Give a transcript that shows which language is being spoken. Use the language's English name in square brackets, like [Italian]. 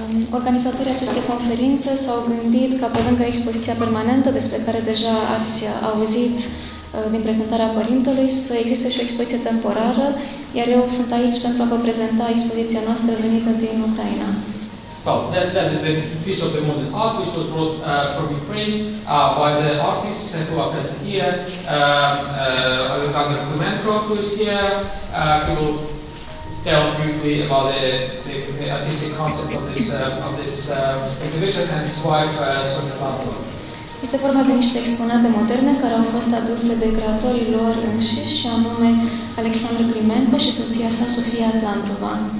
[Romanian] Organizatorii acestei conferințe s-au gândit că pe lângă expoziția permanentă despre care deja ați auzit din prezentarea părintelui, să existe și o expoziție temporară, iar eu sunt aici pentru a vă prezenta expoziția noastră venită din Ucraina. [English] Well, that is a piece of the modern art which was brought from Ukraine by the artists who are present here. Alexander Klimenko, who is here, he will tell briefly about the artistic concept of this exhibition, and his wife, Sonia Pavlova. [Romanian] Este vorba de niște exponate moderne care au fost aduse de creatorii lor înșiși, și anume Alexandru Klimenko și soția sa, Sofia Tantova.